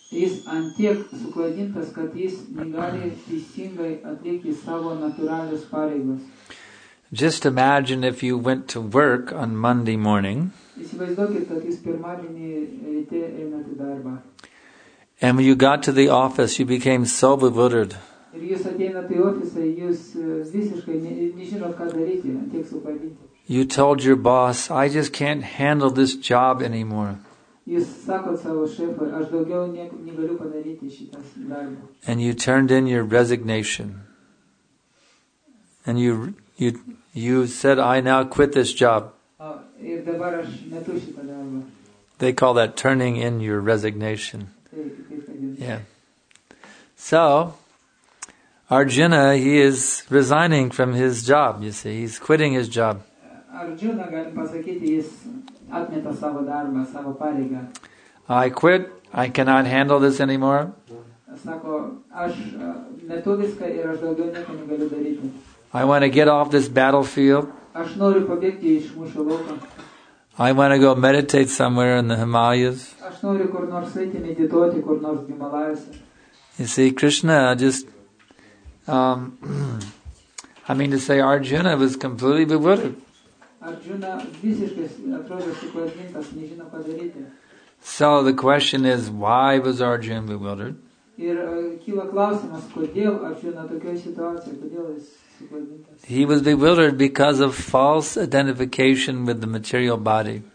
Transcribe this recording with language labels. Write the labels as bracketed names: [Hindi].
[Lithuanian] Jis ant tiek suklaidintas, kad jis negali teisingai atlikti savo natūralius pareigas. [English] Just imagine if you went to work on Monday morning. [Lithuanian] Įsivaizduokit, kad jis pirmadienį ryte eina į darbą. [English] And when you got to the office, you became so bewildered. [Lithuanian] Ir jūs ateinat į ofisą, jūs visiškai nežinot, ką daryti, ant tiek suklaidinti. [English] You told your boss, I just can't handle this job anymore. [Lithuanian] Jūs sakot savo šefui, aš daugiau negaliu padaryti šitą darbą. [English] And you turned in your resignation. And you said, I now quit this job. [Lithuanian] Ir dabar aš metu šitą darbą. [English] They call that turning in your resignation. Yeah. So, Arjuna, he is resigning from his job, you see. He's quitting his job. [Lithuanian] Arjuna, galim pasakyti, jis atmeta savo darbą, savo pareigą. [English] I quit. I cannot handle this anymore. [Lithuanian] Sako, aš metu viską ir aš daugiau nieko negaliu daryti. [English] I want to get off this battlefield. [Lithuanian] Aš noriu pabėgti iš mūšio lauko. [English] I want to go meditate somewhere in the Himalayas. [Lithuanian] Aš noriu kur nors eiti medituoti, kur nors Himalajuose. [English] You see, Krishna just... I mean to say, Arjuna was completely bewildered. [Lithuanian] Arjuna visiškai atrodo suklaidintas, nežino ką daryti. [English] So the question is, why was Arjuna bewildered? [Lithuanian] Ir kyla klausimas, kodėl Arjuna tokioje situacijoje, kodėl jis... [English] He was bewildered because of false identification with the material body.